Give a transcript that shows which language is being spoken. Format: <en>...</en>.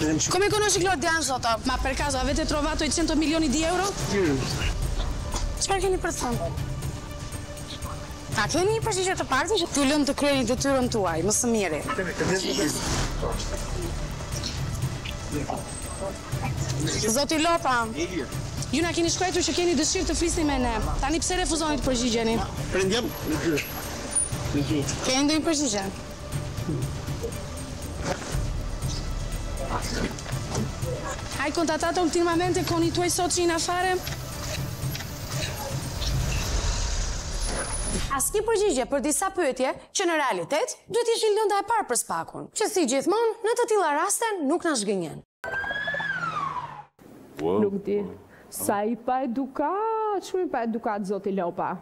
<it>Come conosci Claudian Zoto? Ma per caso avete trovato i 100 milioni di euro?</it> <sq>Çfarë keni për të thënë? A keni një përgjigje të parë që t'i lënë të kryeni detyrën tuaj, më së miri? Zoti Lopa, ju na keni shkruar që keni dëshirë të flisni me ne. Tani pse refuzoni të përgjigjeni? Prindjem. Keni ndonjë përgjigje?</sq> <it>Hai contattato ultimamente con i tuoi soci in affare?</it> <sq>A s'ki përgjigje për disa pyetje që në realitet duhet ishin lënda e parë për spakun, që si gjithmonë në të tilla raste nuk na zgjenin. Wow. Nuk di. Sa i pa edukat, shumë i pa edukat zoti Lopa.</sq>